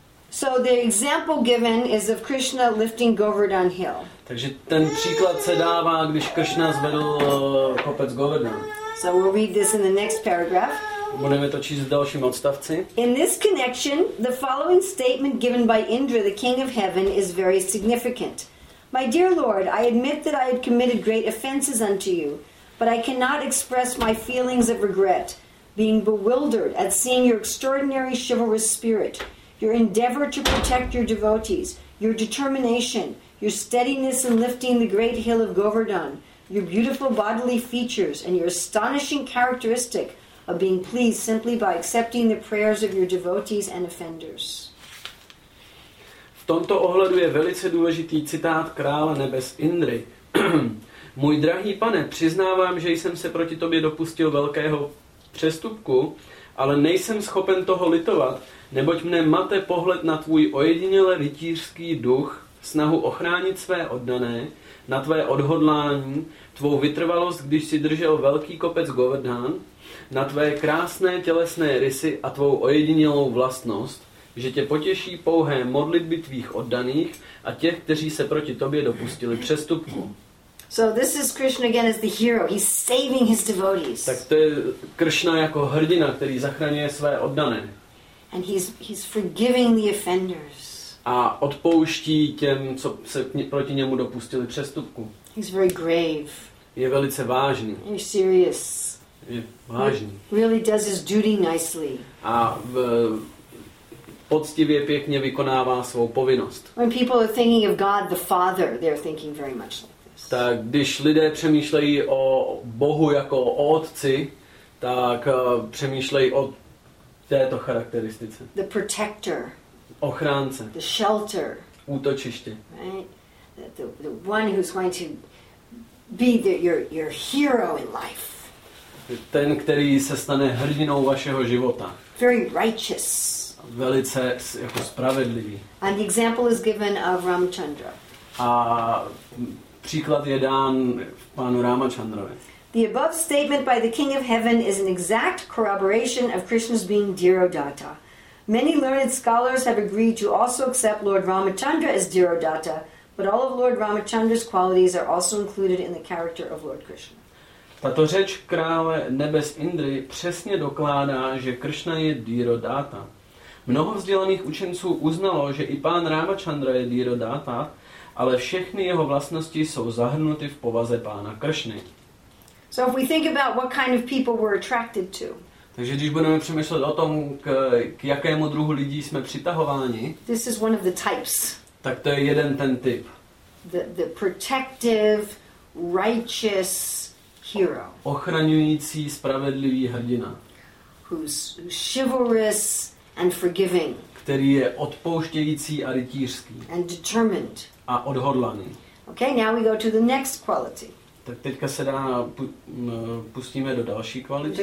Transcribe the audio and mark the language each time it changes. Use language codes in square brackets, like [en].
[en] So the example given is of Krishna lifting Govardhan hill. [cs] Takže ten příklad se dává, když Krishna zvedl kopec Govardhan. [en] So we'll read this in the next paragraph. [cs] Budeme to číst v dalším odstavci. [en] In this connection, the following statement given by Indra, the king of heaven, is very significant. My dear Lord, I admit that I have committed great offenses unto you, but I cannot express my feelings of regret, being bewildered at seeing your extraordinary chivalrous spirit, your endeavor to protect your devotees, your determination, your steadiness in lifting the great hill of Govardhan, your beautiful bodily features, and your astonishing characteristic of being pleased simply by accepting the prayers of your devotees and offenders. [cs] V tomto ohledu je velice důležitý citát krále nebes Indry. Můj drahý pane, přiznávám, že jsem se proti tobě dopustil velkého přestupku, ale nejsem schopen toho litovat, neboť mne mate pohled na tvůj ojedinělý rytířský duch, snahu ochránit své oddané, na tvé odhodlání, tvou vytrvalost, když si držel velký kopec Govardhan, na tvé krásné tělesné rysy a tvou ojedinělou vlastnost, že tě potěší pouhé modlitby tvých oddaných a těch, kteří se proti tobě dopustili přestupku. [en] So this is Krishna again as the hero. He's saving his devotees. [cs] Tak to je Krishna jako hrdina, který zachraňuje své oddané. [en] And he's forgiving the offenders. [cs] A odpouští těm, co se proti němu dopustili přestupku. [en] He's very grave. [cs] Je velice vážný. [en] He's serious. [cs] Je vážný. [en] He really does his duty nicely. [cs] A poctivě pěkně vykonává svou povinnost. [en] When people are thinking of God the Father, they're thinking very much like this. [cs] Tak když lidé přemýšlejí o Bohu jako o Otci, tak přemýšlejí o této charakteristice. [en] The protector. [cs] Ochránce. [en] The shelter. [cs] Útočiště. [en] Right? The one who's going to be your hero in life. [cs] Ten, který se stane hrdinou vašeho života. [en] Very righteous. [cs] Velice jako spravedlivý. [en] And the example is given of Ramchandra. [cs] A příklad je dán panu Ramachandrovi. [en] The above statement by the King of Heaven is an exact corroboration of Krishna's being Dhiradatta. Many learned scholars have agreed to also accept Lord Ramachandra as Dhiradatta, but all of Lord Ramachandra's qualities are also included in the character of Lord Krishna. [cs] Tato řeč krále nebes Indry přesně dokládá, že Krishna je Dhiradatta. Mnoho vzdělaných učenců uznalo, že i pán Ramachandra je Dhiradatta, ale všechny jeho vlastnosti jsou zahrnuty v povaze pána Kršny. [en] So if we think about what kind of people we're attracted to. [cs] Takže když budeme přemýšlet o tom, k jakému druhu lidí jsme přitahováni. [en] This is one of the types. [cs] Tak to je jeden ten typ. [en] The protective, righteous hero. [cs] Ochraňující, spravedlivý hrdina. [en] Who's chivalrous and forgiving. [cs] Který je odpouštějící a rytířský. [en] And determined. [cs] A odhodlaný. [en] Okay, now we go to the next quality. [cs] Tak teďka se dá pustíme do další kvality.